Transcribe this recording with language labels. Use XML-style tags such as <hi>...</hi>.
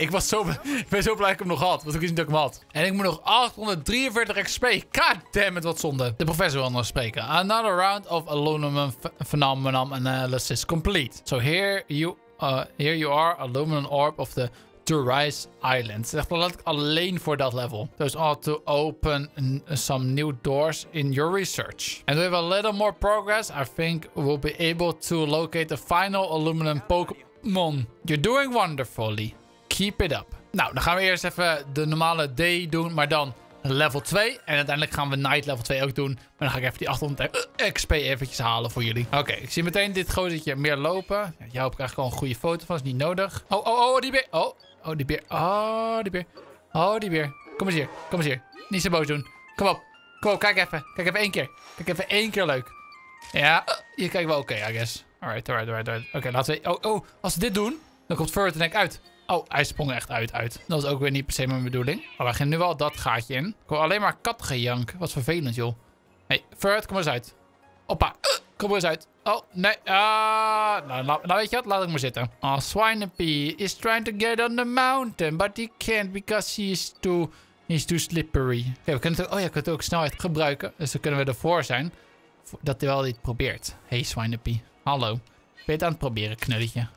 <nl>Ik ben zo blij dat ik hem nog had. Want ik wist niet dat ik hem had. En ik moet nog 843 XP.</nl> <en>God damn it,</en> <nl>wat zonde. De professor wil nog spreken.</nl> <en>Another round of aluminum phenomenon analysis complete. So here you are, aluminum orb of the Durais Island.</en> <nl>Zeg, dan laat ik alleen voor dat level.</nl> <en>Those are to open some new doors in your research. And with a little more progress, I think we'll be able to locate the final aluminum Pokemon. Mon, you're doing wonderfully. Keep it up.</en> <nl>Nou, dan gaan we eerst even de normale D doen, maar dan level 2. En uiteindelijk gaan we Night level 2 ook doen. Maar dan ga ik even die 800 XP eventjes halen voor jullie. Oké, ik zie meteen dit gozertje meer lopen. Ja, jou heb ik eigenlijk al een goede foto van, is niet nodig. Oh, die beer. Kom eens hier. Niet zo boos doen. Kom op, kijk even één keer. Kijk even één keer leuk. Ja, hier kijken we oké,</nl> <en>I guess. Alright.</en> <nl>Oké, laten we... Oh, als we dit doen, dan komt Furret denk ik uit. Oh, hij sprong echt uit. Dat is ook weer niet per se mijn bedoeling. Oh, we gaan nu wel dat gaatje in. Ik hoor alleen maar kattengejank. Wat vervelend, joh. Hey, Furret, kom eens uit. Hoppa, kom eens uit. Oh, nee. Nou, weet je wat? Laat ik maar zitten.</nl> <en>Oh, Swinepie is trying to get on the mountain, but he can't because he's too slippery.</en> <nl>Oké, we kunnen het ook snelheid gebruiken. Dus dan kunnen we ervoor zijn dat hij wel dit probeert. Hey, Swinepie. Hallo. Ben je het aan het proberen, knulletje?</nl>